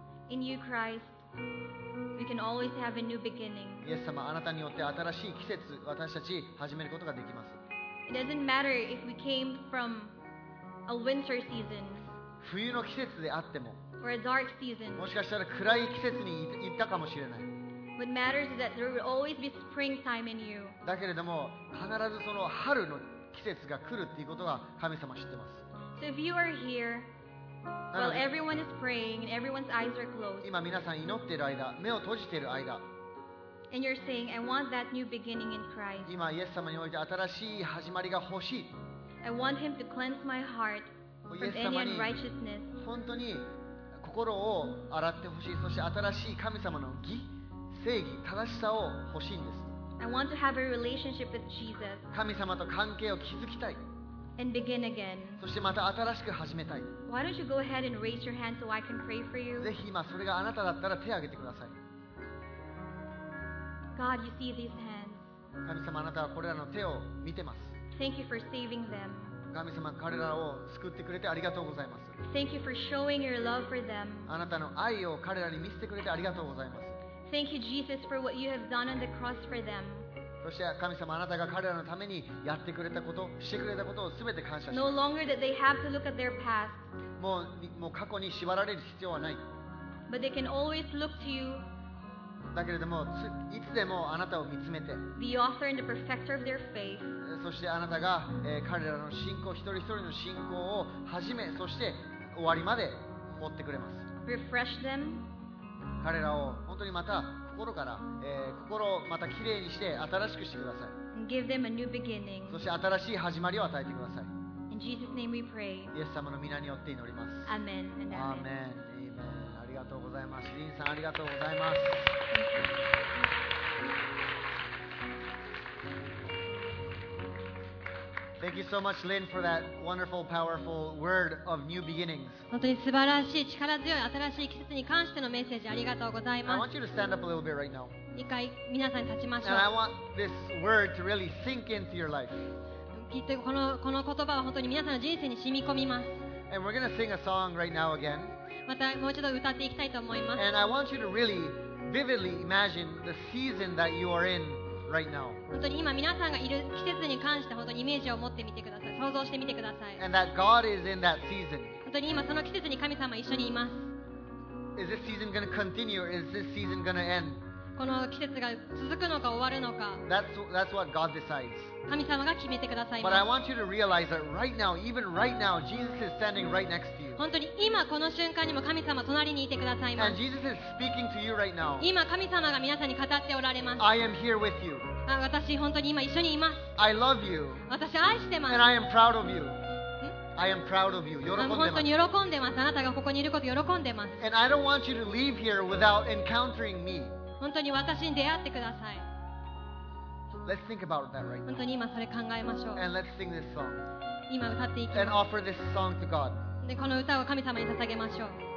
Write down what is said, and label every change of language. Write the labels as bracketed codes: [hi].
[en] In you Christ, we can always have a new beginning. [ja] イエス様あなたによって新しい季節私たち始めることができます。 [en] It doesn't matter if we came from a winter season. [ja] 冬の季節であっても [en] Or a dark season. [ja] もしかしたら暗い季節に行ったかもしれない。 [en] What matters is that there will always be springtime in you. [ja] だけれども必ずその春の季節が来るっていうことは神様知ってます。 [en] So if you are here, while everyone is praying and everyone's eyes are closed, [ja] 今皆さん祈っている間、目を閉じている間、 [en] and you're saying, I want that new beginning in Christ. [ja] 今イエス様において新しい始まりが欲しい。 [en] I want Him to cleanse my heart from any unrighteousness. [ja] 本当に心を洗ってほしい。そして新しい神様の義。正義、正しさを欲しいんです。 [en] I want to have a relationship with Jesus. [ja] 神様と関係を築きたい。 [en] And begin again. [ja] そしてまた新しく始めたい。 [en] Why don't you go ahead and raise your hand so I can pray for you? [ja] ぜひ今それがあなただったら手を挙げてください。 [en] God, you see these hands. [ja] 神様あなたはこれらの手を見てます。 [en] Thank you for saving them. [ja] 神様彼らを救ってくれてありがとうございます。 [en] Thank you for showing your love for them. [ja] あなたの愛を彼らに見せてくれてありがとうございます。 [en] Thank you, Jesus, for what you have done on the cross for them. [ja] そして神様、あなたが彼らのためにやってくれたこと、してくれたことをすべて感謝します。 [en] No longer that they have to look at their past. [ja] もう過去に縛られる必要はない。 [en] But they can always look to you. [ja] だけれども、いつでもあなたを見つめて。 [en] The author and the perfecter of their faith. [ja] そしてあなたが、彼らの信仰、一人一人の信仰を始め、そして終わりまで持ってくれます。 [en] Refresh them. [ja] 彼らを本当にまた心から、心をまたきれいにして新しくしてください。 [en] Give them a new beginning. [ja] そして新しい始まりを与えてください。 [en] In Jesus' name we pray. [ja] イエス様の御名によって祈ります。 [en] Amen and amen. Amen. Amen. [ja] ありがとうございます。リンさんありがとうございます。 [en] Thank you so much, Lynn, for that wonderful, powerful word of new beginnings. [ja] 本当に素晴らしい、力強い新しい季節に関してのメッセージありがとうございます。 [en] I want you to stand up a little bit right now. [ja] 一回皆さん立ちましょう。 [en] And I want this word to really sink into your life. [ja] きっとこの言葉は本当に皆さんの人生に染み込みます。 [en] And we're going to sing a song right now again. [ja] またもう一度歌っていきたいと思います。 [en] And I want you to really vividly imagine the season that you are in. Right、now. [ja] 本当に今皆さんがいる季節に関して本当にイメージを持ってみてください。想像してみてください。 [en] And that God is in that season. [ja] 本当に今その季節に神様一緒にいます。 [en] Is this season going to continue? Is this season going to end? [ja] この季節が続くのか終わるのか [en] that's what God decides. [ja] 神様が決めてくださいます [en] But I want you to realize that right now, even right now, Jesus is standing right next to you. [ja] 本当に今この瞬間にも神様隣にいてくださいます [en] And Jesus is speaking to you right now. [ja] 今神様が皆さんに語っておられます [en] I am here with you. [ja] 私本当に今一緒にいます [en] I love you. [ja] 私愛してます [en] And I am proud of you. I am proud of you. [ja] 本当に喜んでます。あなたがここにいること喜んでます。 [en] And I don't want you to leave here without encountering me. [ja] 本当に私に出会ってください。 [en] Let's think about that right now. [ja] 本当に今それ考えましょう。 [en] And let's sing this song. [ja] 今歌っていきます。 [en] And offer this song to God. [ja] で、この歌を神様に捧げましょう。